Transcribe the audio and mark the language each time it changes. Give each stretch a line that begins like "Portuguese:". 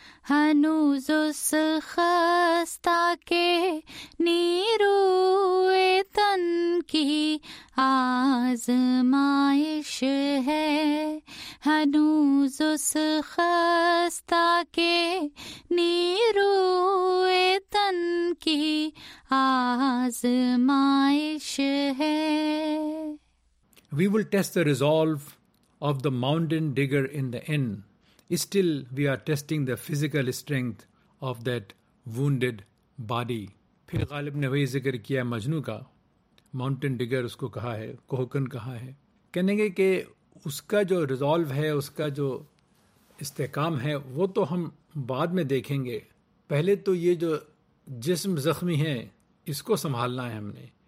Urdu: ہنوز اس خستہ کے نیروئے تن کی آزمائش ہے, ہنوز اس خستہ کے نیروئے تن کی آزمائش ہے.
English: We will test the resolve of the mountain digger in the inn. Still, we are testing the physical strength of that wounded body.
Urdu: پھر غالب نے وہی ذکر کیا مجنو کا,
English: mountain digger
Urdu: اس کو کہا ہے, کوہکن کہا ہے. کہنے گے کہ اس کا جو ریزالو ہے, اس کا جو استحکام ہے وہ تو ہم بعد میں دیکھیں گے، پہلے تو یہ جو جسم زخمی ہے اس کو سنبھالنا ہے ہم نے۔